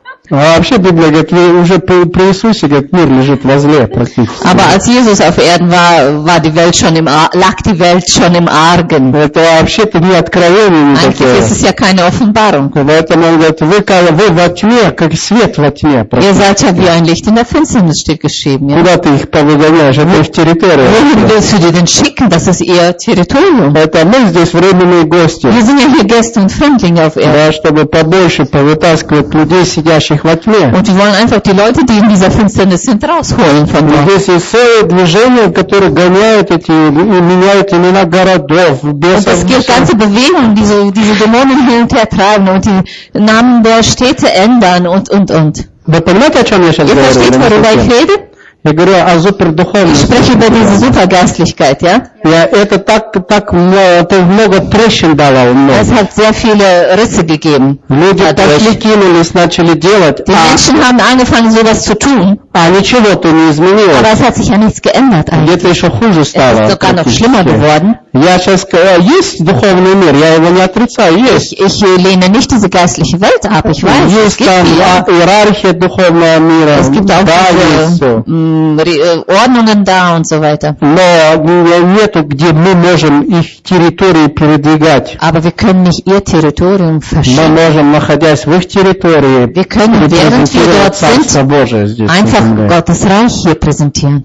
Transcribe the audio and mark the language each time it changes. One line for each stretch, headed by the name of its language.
Russian: вообще Библия говорит, уже при Иисусе говорит, мир лежит во зле практически.
German: Aber als Jesus auf Erden war, war die Welt schon im, lag die Welt schon im Argen.
Russian: Это вообще-то не откровение никакое.
German: Es ist ja keine Offenbarung.
Russian: Поэтому он говорит, вы во тьме, как свет во тьме.
German: Ihr seid ja wie ein Licht in der Finsternis, steht geschrieben. Ja?
Russian: Куда ты их повыгоняешь? Это их территория.
German: Wohin willst du die denn schicken? Das ist ihr Territorium.
Russian: Это мы здесь временные гости.
German: Wir sind ja hier Gäste und Fremdlinge auf Erden.
Russian: Да, чтобы побольше повытаскивать людей, сидящих.
German: Und wir wollen einfach die Leute, die in dieser Finsternis sind, rausholen von dort.
Russian: Здесь есть целое движение, которое гоняет эти и меняет имена городов.
German: Und es gibt ganze Bewegungen, die diese Dämonen hin und her treiben und die Namen der Städte ändern und.
Russian: Вы понимаете, о чем я сейчас говорю?
German: Ihr versteht, worüber ich rede?
Russian: Я говорю о супердуховности.
German: Ich spreche über diese Supergeistlichkeit, ja?
Russian: Я это так много трещин давал мне.
German: Es hat sehr viele Risse gegeben.
Russian: Люди пошли кинулись, начали делать.
German: Die Menschen haben angefangen, sowas zu tun.
Russian: А ничего-то не изменилось.
German: Aber es hat sich ja nichts geändert.
Russian: Где-то еще хуже стало.
German: Es ist sogar noch schlimmer geworden.
Russian: Я сейчас есть духовный мир, я его не отрицаю, есть.
German: Ich lehne nicht diese geistliche Welt ab, ich weiß.
Russian: Есть там иерархия духовного мира.
German: Es gibt auch Ordnungen da und so weiter. Aber wir können nicht ihr Territorium verschieben. Wir können, während wir dort sind, einfach Gottes Reich hier präsentieren.